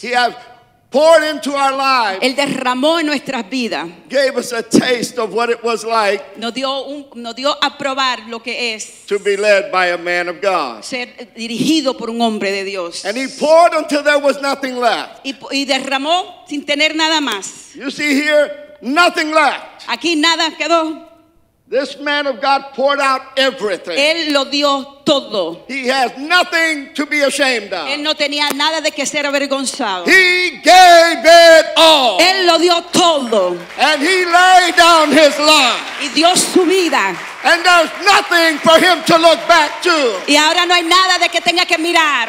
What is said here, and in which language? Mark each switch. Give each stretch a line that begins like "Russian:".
English: He has poured into our lives.
Spanish: Él derramó en nuestras vidas.
English: Gave us a taste of what it was like.
Spanish: Nos dio a probar lo que es.
English: To be led by a man of God.
Spanish: Ser dirigido por un hombre de Dios.
English: And he poured until there was nothing left.
Spanish: Y derramó sin tener nada más.
English: You see here, nothing left.
Spanish: Aquí nada quedó.
English: This man of God poured out everything.
Spanish: Él lo dio todo.
English: He has nothing to be ashamed of.
Spanish: Él no tenía nada de que ser avergonzado.
English: He gave it all.
Spanish: Él lo dio todo.
English: And he laid down his life.
Spanish: Y dio su vida.
English: And there's nothing for him to look back to.
Spanish: Y ahora no hay nada de que tenga que mirar.